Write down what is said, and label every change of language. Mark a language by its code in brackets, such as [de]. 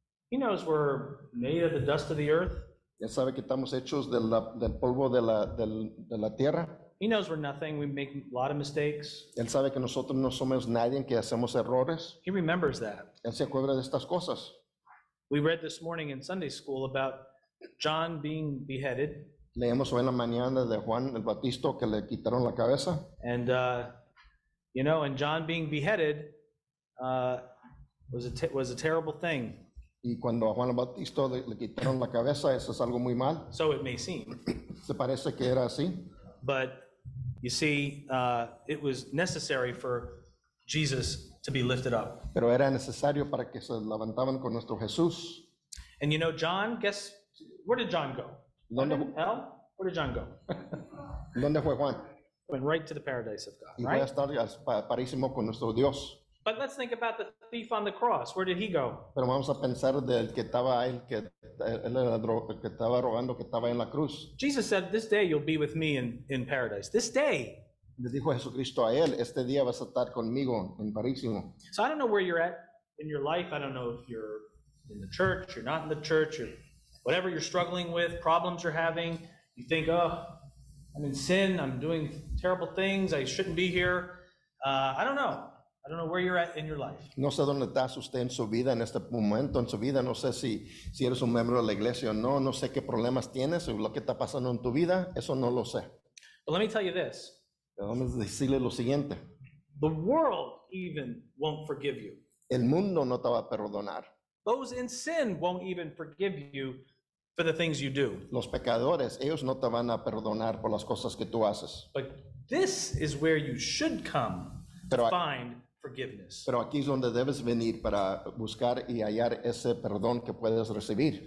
[en] He knows we're made of the dust of the earth. [es] Él sabe que estamos hechos del polvo de la tierra. [en] He knows we're nothing, we make a lot of mistakes. [es] Él sabe que nosotros no somos nadie, que hacemos errores. [en] He remembers that. [es] Él se acuerda de estas cosas. [en] We read this morning in Sunday school about John being beheaded. [es] Leemos hoy en la mañana de Juan el Bautista, que le quitaron la cabeza. [en] And you know, and John being beheaded was a terrible thing. [es] Y cuando a Juan el Bautista le quitaron la cabeza, eso es algo muy mal. [en] So it may seem. [es] Se parece que era así. [en] But you see, it was necessary for Jesus to be lifted up. [es] Pero era necesario para que se levantaban con nuestro Jesús. [en] And you know, John, guess, where did John go? [es] ¿Dónde? [en] Hell? Where did John go? [es] ¿Dónde fue Juan? [en] Went right to the paradise of God, right? [es] Y va a estar al paraíso con nuestro Dios. [en] But let's think about the thief on the cross. Where did he go? [es] Pero vamos a pensar del que estaba ahí, que él era el que estaba rogando, que estaba en la cruz. [en] Jesus said, "This day you'll be with me in paradise." This day. [es] Le dijo Jesucristo a él, "Este día vas a estar conmigo en paraíso." [en] So I don't know where you're at in your life. I don't know if you're in the church, you're not in the church, or whatever you're struggling with, problems you're having. You think, "Oh, I'm in sin. I'm doing terrible things. I shouldn't be here." I don't know. I don't know where you're at in your life. [es] No sé dónde estás usted en su vida en este momento en su vida. No sé si eres un miembro de la iglesia o no. No sé qué problemas tienes o lo que está pasando en tu vida. Eso no lo sé. [en] But let me tell you this. [es] Vamos a decirle lo siguiente. [en] The world even won't forgive you. [es] El mundo no te va a perdonar. [en] Those in sin won't even forgive you for the things you do. [es] Los pecadores, ellos no te van a perdonar por las cosas que tú haces. [en] But this is where you should come. [es] Pero, [en] to find forgiveness. [es] Pero aquí es donde debes venir para buscar y hallar ese perdón que puedes recibir.